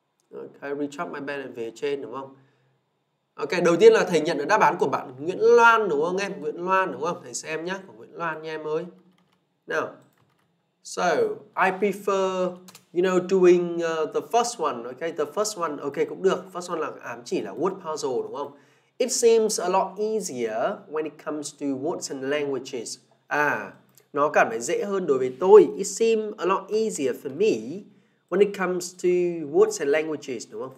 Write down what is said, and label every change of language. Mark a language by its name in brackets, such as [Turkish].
[Vietnamese] Okay, reach out my band về trên đúng không? Ok, đầu tiên là thầy nhận được đáp án của bạn Nguyễn Loan đúng không em? Nguyễn Loan đúng không? Thầy xem nhé, của Nguyễn Loan nha em ơi. Nào. [English] So, I prefer, you know, doing the first one. Ok, the first one. Ok, [Vietnamese] cũng được. First one là ám chỉ là word puzzle đúng không? [English] It seems a lot easier when it comes to words and languages. [Vietnamese] À, nó cảm thấy dễ hơn đối với tôi. [English] It seems a lot easier for me when it comes to words and languages, [Vietnamese] đúng không?